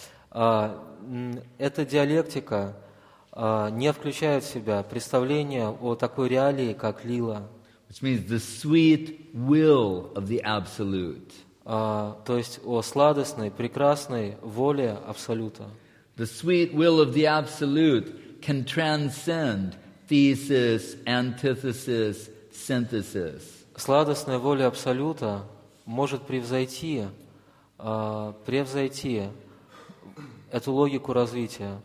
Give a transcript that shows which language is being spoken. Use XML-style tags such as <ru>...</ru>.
<ru>Эта диалектика не включает в себя представление о такой реалии, как лила.</ru> <en>Which means the sweet will of the absolute.</en> <ru>То есть о сладостной, прекрасной воле Абсолюта.</ru> <en>The sweet will of the absolute can transcend thesis, antithesis, synthesis.</en> <ru>Сладостная воля Абсолюта может превзойти, превзойти эту логику развития.</ru>